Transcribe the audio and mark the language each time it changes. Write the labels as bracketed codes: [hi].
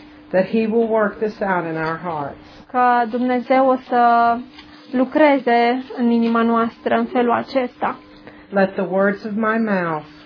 [en] That he will work this out in our hearts. [ro] Că Dumnezeu o să lucreze în inima noastră în felul acesta. [en] Let the words of my mouth.